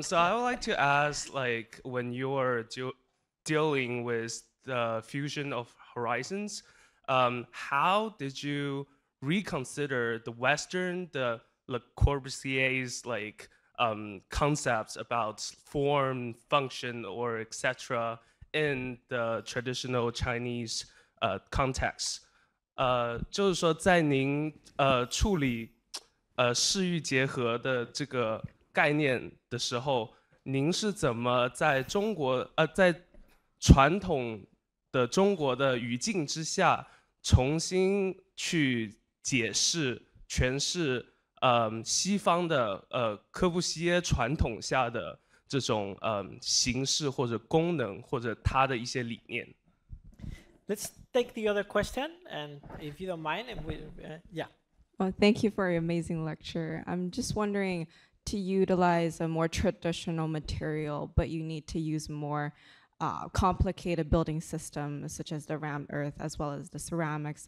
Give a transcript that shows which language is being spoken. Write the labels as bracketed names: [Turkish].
[English] So I would like to ask, like, when you're dealing with the fusion of horizons, how did you reconsider the Western, the Le Corbusier's, like, concepts about form, function, or etc. in the traditional Chinese context. [Chinese] 就是说在您处理市域结合的这个概念的时候，您是怎么在中国在传统的中国的语境之下重新去解释诠释西方的柯布西耶传统下的这种形式或者功能或者它的一些理念。 [English] Let's take the other question, and if you don't mind, and we. Well, thank you for your amazing lecture. I'm just wondering, to utilize a more traditional material, but you need to use more complicated building systems such as the rammed earth as well as the ceramics.